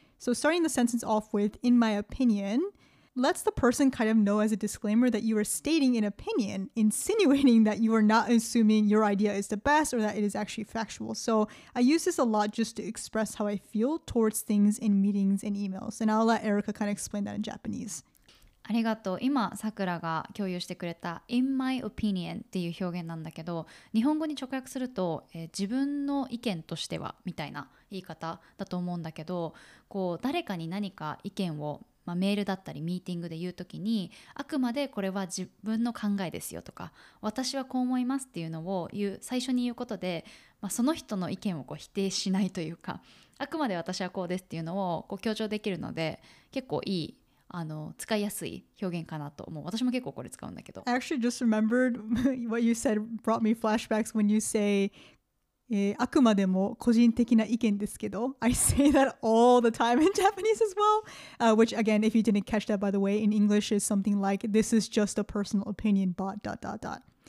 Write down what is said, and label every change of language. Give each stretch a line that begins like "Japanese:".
English: So starting the sentence off with, in my opinion, lets the person kind of know as a disclaimer that you are stating an opinion, insinuating that you are not assuming your idea is the best or that it is actually factual. So I use this a lot just to express how I feel towards things in meetings and emails. And I'll let Erica kind of explain that in Japanese.
Japanese: ありがとう。今さくらが共有してくれた
English: in my opinion
Japanese: っていう表現なんだけど、日本語に直訳すると、自分の意見としてはみたいな言い方だと思うんだけど、こう誰かに何か意見をまあ、メールだったりミーティングで言うときに、あくまでこれは自分の考えですよとか、私はこう思いますっていうのを言う最初に言うことで、まあ、その人の意見をこう否定しないというか、あくまで私はこうですっていうのをこう強調できるので、結構いい、あの使いやすい表現かなと思う。私も結構これ使うんだけど。
English: I actually just remembered what you said brought me flashbacks when you say、
Japanese: あくまでも個人的な意見ですけど、
English: I say that all the time in Japanese as well.、which again, if you didn't catch that by the way, in English is something like, this is just a personal opinion, but dot dot dot.